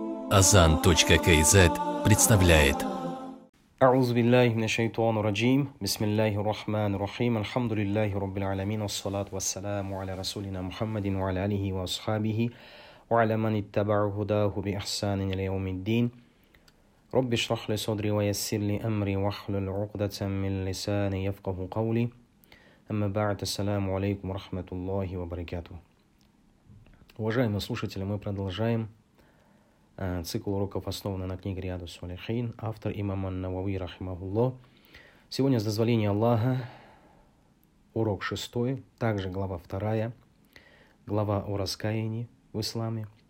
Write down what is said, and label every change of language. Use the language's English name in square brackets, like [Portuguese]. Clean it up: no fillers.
[Russian] Azan.kz представляет. [Arabic] أعوذ بالله من الشيطان الرجيم. بسم الله الرحمن الرحيم. الحمد لله رب العالمين. والصلاة والسلام على رسولنا محمد وعلى آله وأصحابه وعلى من اتبع هداه بإحسان إلى يوم الدين. رب اشرح لي صدري ويسر لي أمري واحلل عقدة من لساني يفقه قولي. أما بعد, السلام عليكم ورحمة الله وبركاته. [Russian] Уважаемые слушатели, мы продолжаем цикл уроков, основанный на книге Риаду Салихин, автор имам Ан-Навави, рахимахулло. Сегодня, с дозволения Аллаха, урок 6, также глава 2, глава о раскаянии в исламе.